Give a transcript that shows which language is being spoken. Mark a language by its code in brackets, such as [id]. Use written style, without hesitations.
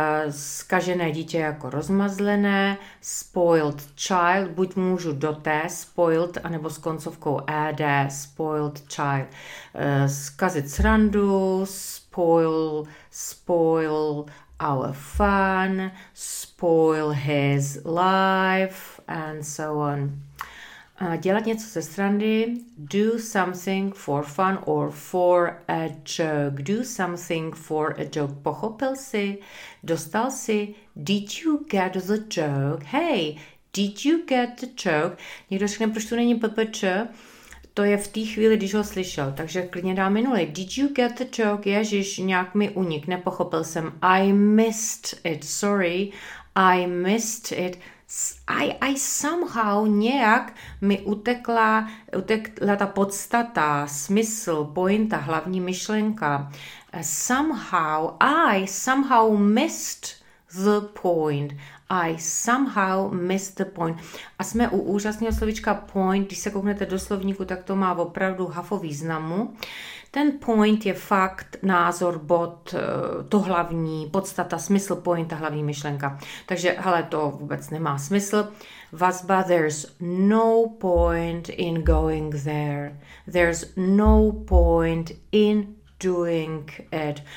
[cs] Zkažené dítě jako rozmazlené, [en] spoiled child, [cs] buď můžu do té spoiled, anebo s koncovkou ed, spoiled child. Zkazit srandu, [en] spoil our fun, spoil his life, and so on. [cs] Dělat něco ze srandy, [en] do something for fun or for a joke. Do something for a joke. [cs] Pochopil jsi? Dostal jsi? [en] Did you get the joke? Hey, did you get the joke? [cs] Někdo řekne, proč to není ppč? To je v té chvíli, když ho slyšel. Takže klidně dá minulý. [en] Did you get the joke? [cs] Ježiš, nějak mi unik, nepochopil jsem. [en] I missed it, sorry. I missed it. I somehow [cs] nějak mi utekla ta podstata, smysl, pointa, hlavní myšlenka. [en] I somehow missed the point. I somehow missed the point. [cs] A jsme u úžasného slovíčka point. Když se kouknete do slovníku, tak to má opravdu hafo významu. Ten point je fakt, názor, bod, to hlavní, podstata, smysl, point, ta hlavní myšlenka. Takže, hele, to vůbec nemá smysl. Vazba, [en] there's no point in going there. There's no point in doing it.